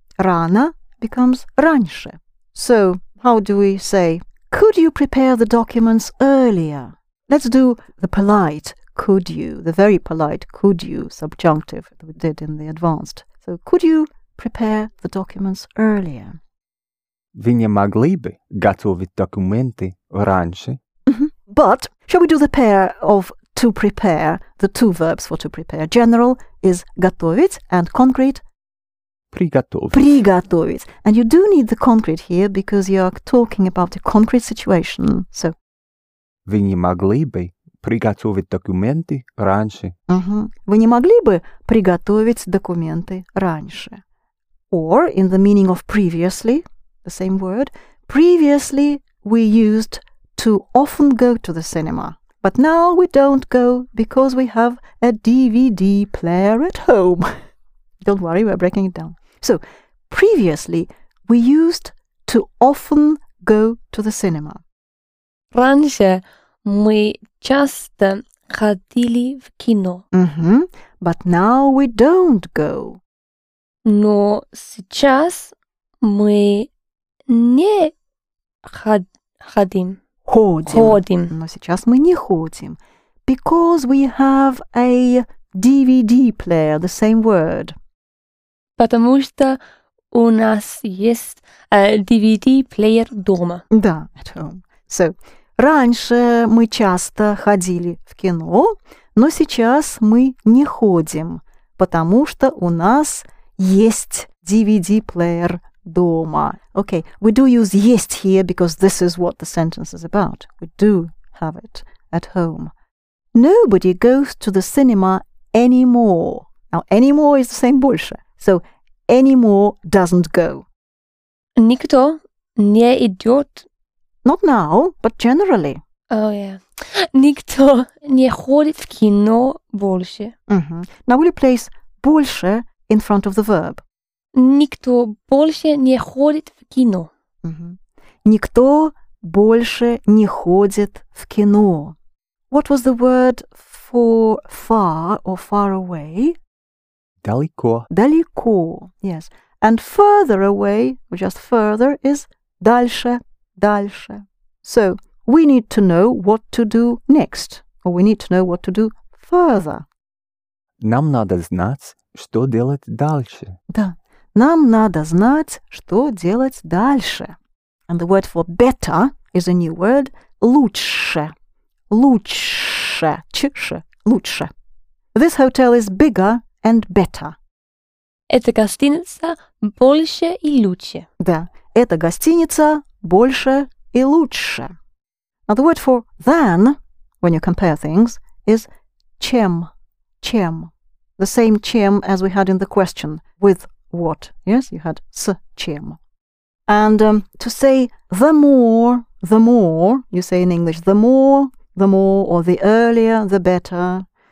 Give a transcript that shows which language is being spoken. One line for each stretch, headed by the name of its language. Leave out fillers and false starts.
Russian: Рано
English: becomes
Russian: раньше.
English: So, how do we say, could you prepare the documents earlier? Let's do the polite, could you, the very polite, could you, subjunctive that we did in the advanced. So, could you prepare the documents earlier?
Russian: Вы не могли бы готовить документы раньше?
English: But, shall we do the pair of to prepare, the two verbs for to prepare? General is готовить, and concrete?
Russian: Приготовить. Приготовить.
English: And you do need the concrete here, because you are talking about a concrete situation. So,
Russian: вы не могли бы приготовить документы раньше? Вы не могли бы приготовить документы раньше?
English: Or, in the meaning of previously, the same word. Previously, we used to often go to the cinema. But now we don't go because we have a DVD player at home. Don't worry, we're breaking it down. So, previously, we used to often go to the cinema.
Russian: Раньше мы часто ходили в кино.
English: Mm-hmm. But now we don't go.
Russian: Но сейчас мы не ходим. Ходим. Ходим. Но сейчас мы не ходим.
English: Because we have a DVD player, the same word.
Russian: Потому что у нас есть DVD player дома.
English: Да, at home.
Russian: So, раньше мы часто ходили в кино, но сейчас мы не ходим, потому что у нас есть DVD player дома.
English: Okay, we do use есть here because this is what the sentence is about. We do have it at home. Nobody goes to the cinema anymore. Now, anymore is the same больше. So, anymore doesn't go.
Russian: Никто не идёт.
English: Not now, but generally. Oh, yeah.
Russian: Никто не ходит в кино больше.
English: Mm-hmm. Now, will you place больше in front of the verb?
Russian: Никто больше не ходит в кино. Mm-hmm. Никто больше не ходит в кино.
English: What was the word for far or far away?
Russian: Далеко.
English: Далеко, yes. And further away, or just further, is дальше, дальше. So, we need to know what to do next, or we need to know what to do further.
Russian: Нам надо знать, что делать дальше. Да. Нам надо знать, что делать дальше.
English: And the word for better is a new word, лучше.
Russian: Лучше. Чише. Лучше.
English: This hotel is bigger and better.
Russian: Эта гостиница больше и лучше. Да. Эта гостиница больше и лучше.
English: Now the word for than, when you compare things, is чем.
Russian: Чем.
English: The same чем as we had in the question, with what. Yes, you had с чем. And to say the more, you say in English, the more, or the earlier, the better.